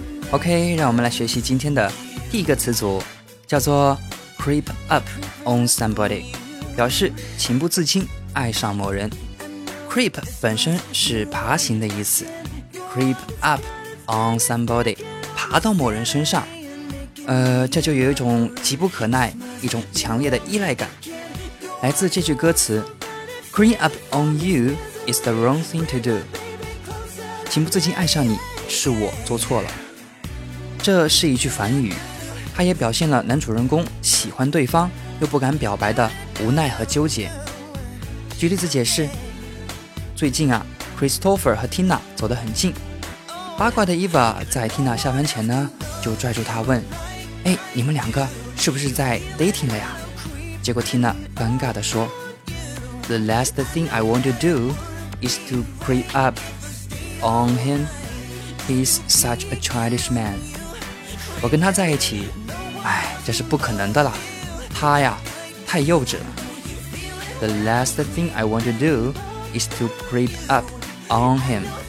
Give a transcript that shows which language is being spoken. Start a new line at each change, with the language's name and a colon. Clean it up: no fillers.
Chinese: OK， 让我们来学习今天的第一个词组，叫做 Creep up on somebody， 表示情不自禁爱上某人。 Creep 本身是爬行的意思，Creep up on somebody， 爬到某人身上，这就有一种急不可耐，一种强烈的依赖感。来自这句歌词 ，
English: Creep up on you is the wrong thing to do，
Chinese: 情不自禁爱上你是我做错了。这是一句反语，它也表现了男主人公喜欢对方又不敢表白的无奈和纠结。举例子解释，最近啊，Christopher 和 Tina 走得很近，八卦的 Eva 在 Tina 下班前呢，就拽住她问，哎，你们两个是不是在 dating 了呀？结果 Tina 尴尬地说，
English: The last thing I want to do is to creep up on him, he's such a childish man.
Chinese: 我跟他在一起，哎，这是不可能的了，他呀太幼稚了。
English: The last thing I want to doIs to creep up on him.